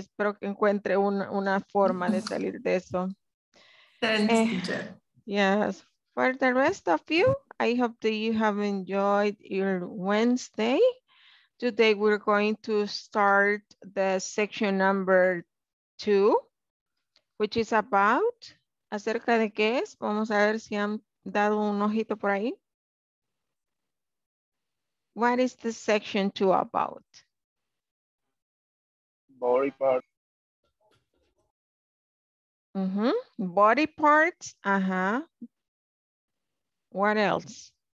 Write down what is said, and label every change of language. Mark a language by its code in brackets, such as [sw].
[es] Espero que encuentre una forma de salir de eso. [en] Thanks, teacher. Yes. For the rest of you, I hope that you have enjoyed your Wednesday. Today, we're going to start the section number 2, which is about, [es] acerca de qué es. Vamos a ver si han dado un ojito por ahí. [en] What is the section 2 about? Body parts. Mm-hmm. Body parts. Uh-huh. What else?